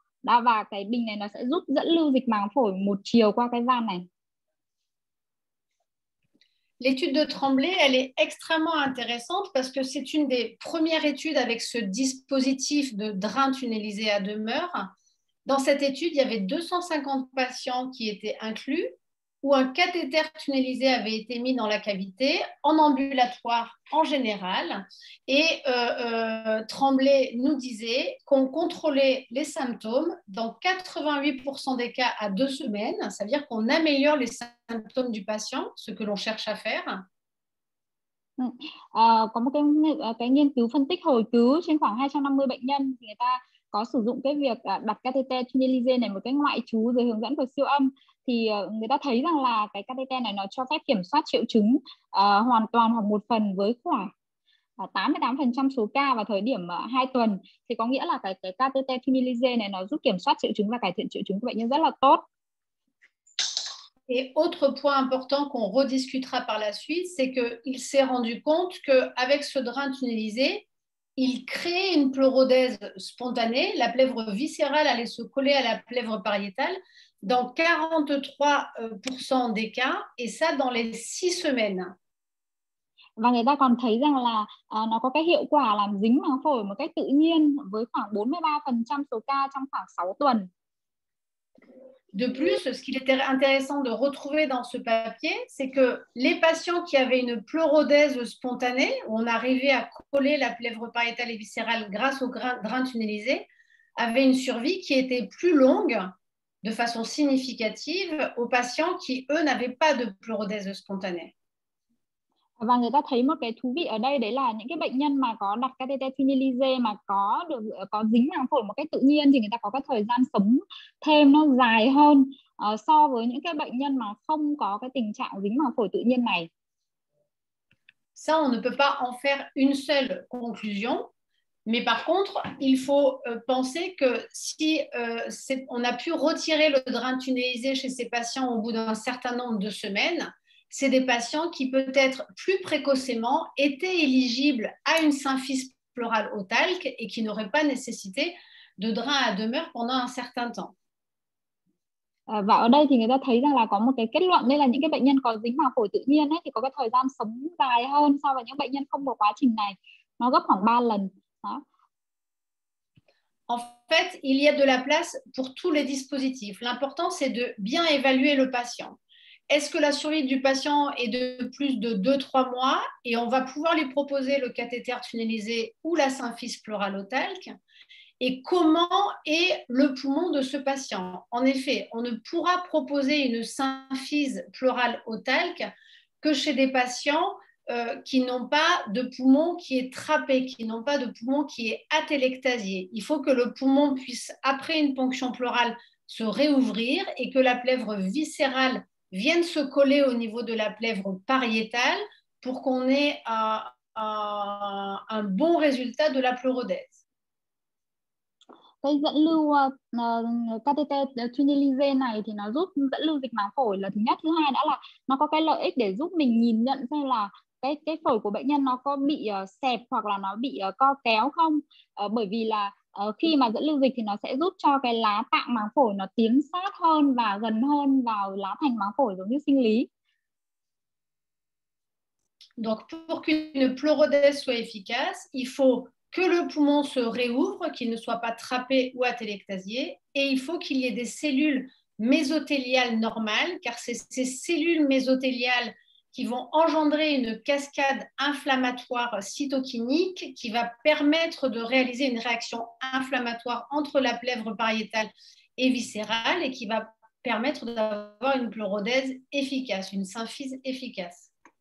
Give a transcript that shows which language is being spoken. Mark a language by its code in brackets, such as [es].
[vi] Đó, và cái bình này nó sẽ giúp dẫn lưu dịch màng phổi một chiều qua cái van này. [fr] L'étude de Tremblay, elle est extrêmement intéressante parce que c'est une des premières études avec ce dispositif de drain tunnelisé à demeure. Dans cette étude, il y avait 250 patients qui étaient inclus, où un cathéter tunnelisé avait été mis dans la cavité, en ambulatoire en général. Et Tremblay nous disait qu'on contrôlait les symptômes dans 88% des cas à 2 semaines, c'est-à-dire qu'on améliore les symptômes du patient, ce que l'on cherche à faire. [vi] Có một cái nghiên cứu phân tích hồi cứu trên khoảng 250 bệnh nhân, thì người ta có sử dụng cái việc đặt catheter tunnelisé này một cái ngoại trú dưới hướng dẫn của siêu âm, thì người ta thấy rằng là cái catheter này nó cho phép kiểm soát triệu chứng hoàn toàn hoặc một phần với khoảng 88% số ca vào thời điểm 2 tuần. Thì có nghĩa là cái catheter tunnelisé này nó giúp kiểm soát triệu chứng và cải thiện triệu chứng của bệnh nhân rất là tốt. [fr] Et autre point important qu'on rediscutera par la suite, c'est qu'il s'est rendu compte qu'avec ce drain tunnelisé, il créait une pleurodèse spontanée, la plèvre viscérale allait se coller à la plèvre pariétale dans 43% des cas, et ça dans les 6 semaines. [vi] Và người ta còn thấy rằng là nó có cái hiệu quả làm dính màng phổi một cách tự nhiên với khoảng 43% số ca trong khoảng 6 tuần. [fr] De plus, ce qu'il était intéressant de retrouver dans ce papier, c'est que les patients qui avaient une pleurodèse spontanée, où on arrivait à coller la plèvre pariétale et viscérale grâce au drain tunnelisé, avaient une survie qui était plus longue de façon significative aux patients qui, eux, n'avaient pas de pleurodèse spontanée. [vi] Và người ta thấy một cái thú vị ở đây đấy là những cái bệnh nhân mà có đặt catheter tunnelisé mà có được có dính màng phổi một cách tự nhiên thì người ta có cái thời gian sống thêm nó dài hơn so với những cái bệnh nhân mà không có cái tình trạng dính màng phổi tự nhiên này. [fr] Ça, on ne peut pas en faire une seule conclusion, mais par contre, il faut penser que si on a pu retirer le drain tunnelisé chez ces patients au bout d'un certain nombre de semaines, c'est des patients qui peut-être plus précocement étaient éligibles à une symphyse pleurale au talc et qui n'auraient pas nécessité de drain à demeure pendant un certain temps. [vi] Và ở đây thì người ta thấy rằng là có một cái kết luận đây là những cái bệnh nhân có dính màng phổi tự nhiên ấy, thì có cái thời gian sống dài hơn so với những bệnh nhân không có quá trình này, nó gấp khoảng 3 lần. Đó. [fr] En fait, il y a de la place pour tous les dispositifs. L'important, c'est de bien évaluer le patient. Est-ce que la survie du patient est de plus de 2-3 mois et on va pouvoir lui proposer le cathéter tunnelisé ou la symphyse pleurale au talc? Et comment est le poumon de ce patient? En effet, on ne pourra proposer une symphyse pleurale au talc que chez des patients qui n'ont pas de poumon qui est trapé, qui n'ont pas de poumon qui est atélectasié. Il faut que le poumon puisse, après une ponction pleurale, se réouvrir et que la plèvre viscérale viennent se coller au niveau de la plèvre pariétale pour qu'on ait un bon résultat de la pleurodèse. [vi] Cái dẫn lưu catheter tunnelisé này thì nó giúp dẫn lưu dịch màng phổi là thứ nhất, thứ hai đã là nó có cái lợi ích để giúp mình nhìn nhận xem là cái phổi của bệnh nhân nó có bị xẹp hoặc là nó bị co kéo không, bởi vì là khi mà dẫn lưu dịch thì nó sẽ giúp cho cái lá tạng màng phổi nó tiến sát hơn và gần hơn vào lá thành màng phổi giống như sinh lý. [fr] Donc pour qu'une pleurodèse soit efficace, il faut que le poumon se réouvre, qu'il ne soit pas trapé ou atélectasié, et il faut qu'il y ait des cellules mésothéliales normales, car c'est ces cellules mésothéliales qui vont engendrer une cascade inflammatoire cytokinique qui va permettre de réaliser une réaction inflammatoire entre la plèvre pariétale et viscérale et qui va permettre d'avoir une pleurodèse efficace, une symphyse efficace.